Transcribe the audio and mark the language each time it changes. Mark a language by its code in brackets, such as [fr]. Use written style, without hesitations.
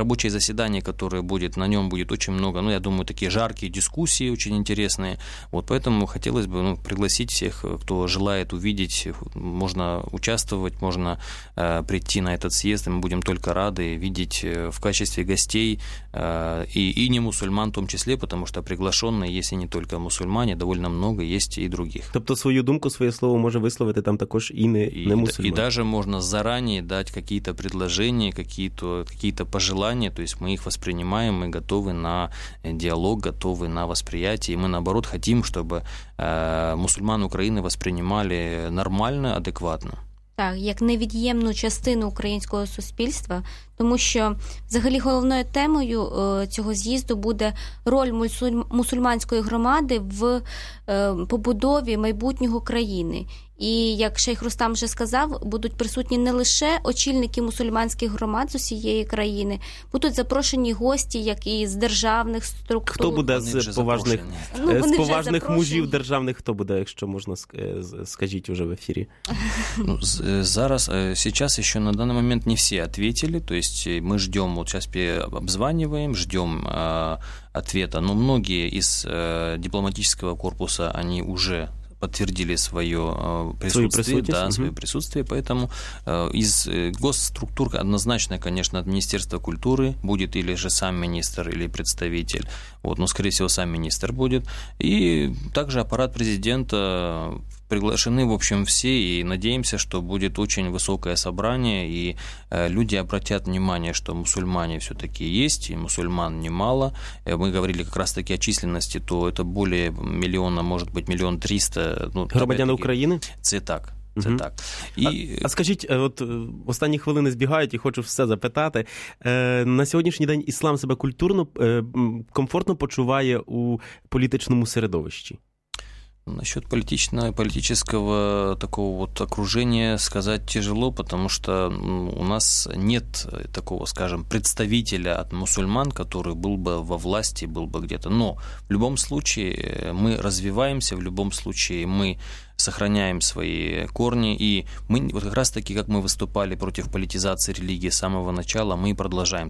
[ru] заседание, которое будет, на нем будет очень много, ну, я думаю, такие жаркие дискуссии очень интересные, вот поэтому хотелось бы пригласить всех, кто желает увидеть, можно участвовать, можно прийти на этот съезд, и мы будем только рады видеть в качестве гостей и не мусульман в том числе, потому что приглашенные есть и не только мусульмане, довольно много есть и других. [uk] Тобто свою думку, своє слово може висловити там також і не мусульман. [ru] И даже можно заранее дать какие-то предложения, какие-то пожелания, то есть мы их воспринимаем, мы готовы на диалог, готовы на восприятие, и мы наоборот хотим, чтобы мусульман Украины воспринимали нормально, адекватно. [uk] Так, як невід'ємну частину українського суспільства, тому що взагалі головною темою цього з'їзду буде роль мусульманської громади в побудові майбутнього країни. І, як шейх Рустам вже сказав, будуть присутні не лише очільники мусульманських громад з усієї країни, будуть запрошені гості, як і з державних структур. Хто буде з поважних, з поважних мужів державних, хто буде, якщо можна, скажіть уже в ефірі? Ну, зараз, сейчас ще на даний момент не всі відповіли, тобто ми ждемо, от зараз обзванюємо, ждемо відповіді, але багато із дипломатичного корпусу, вони вже [ru] подтвердили свое присутствие, да, свое присутствие, поэтому из госструктур однозначно, конечно, от Министерства культуры будет или же сам министр, или представитель, вот, но, скорее всего, сам министр будет, и также аппарат президента, приглашены, в общем, все, и надеемся, что будет очень высокое собрание, и люди обратят внимание, что мусульмане все-таки есть, и мусульман немало. Мы говорили как раз-таки о численности, то это более миллиона, может быть, 1 300 000. [uk] Ну, громадян Украины? Це так. Це угу. Так. І... А скажіть, от останні хвилини збігають, і хочу все запитати. На сьогоднішній день іслам себе культурно, комфортно почуває у політичному середовищі? [ru] Насчет политического такого вот окружения сказать тяжело, потому что у нас нет такого, скажем, представителя от мусульман, который был бы во власти, был бы где-то. Но в любом случае мы развиваемся, в любом случае мы сохраняем свои корни, и мы вот как раз-таки, как мы выступали против политизации религии с самого начала, мы и продолжаем.